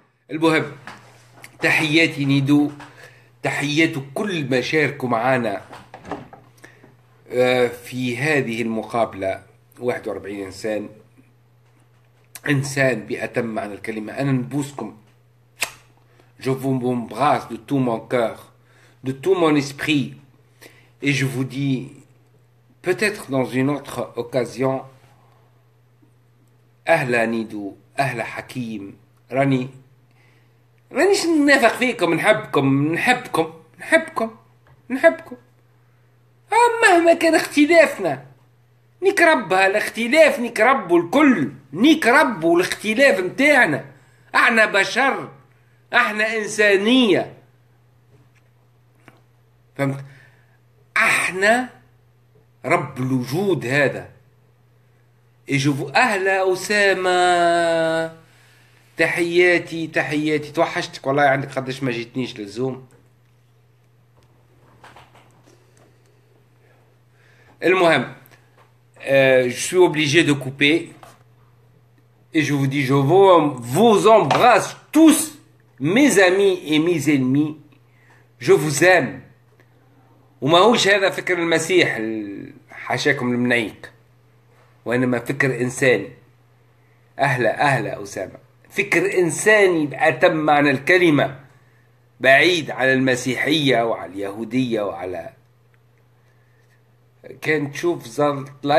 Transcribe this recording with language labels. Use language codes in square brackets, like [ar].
[ar] المهم تحياتي نيدو، تحيات كل ما شاركوا معنا في هذه المقابلة. 41 إنسان، إنسان بأتم معنى الكلمة. أنا نبوسكم، [fr] je vous embrasse de tout mon cœur de tout mon esprit et je vous dis peut-être dans une autre occasion. [ar] أهلا نيدو، أهلا حكيم، راني مانيش نافق فيكم، نحبكم نحبكم نحبكم نحبكم، مهما كان اختلافنا نكربها، الاختلاف نكربه، الكل نكربه، الاختلاف متاعنا، احنا بشر، احنا انسانية، فهمت؟ احنا رب الوجود هذا. يشوفوا أهلا أسامة، تحياتي تحياتي، توحشتك والله. عندك قداش ما جيتنيش للزوم. [fr] المهم je suis obligé de couper et je vous dis je vous embrasse tous mes amis et mes ennemis. Je vous aime. [ar] وما هوش هذا فكر المسيح حاشاكم المنيق، وإنما فكر إنساني. أهلا أهلا أسامة، فكر إنساني بأتم معنى الكلمة، بعيد على المسيحية وعلى اليهودية وعلى كان تشوف زطلة.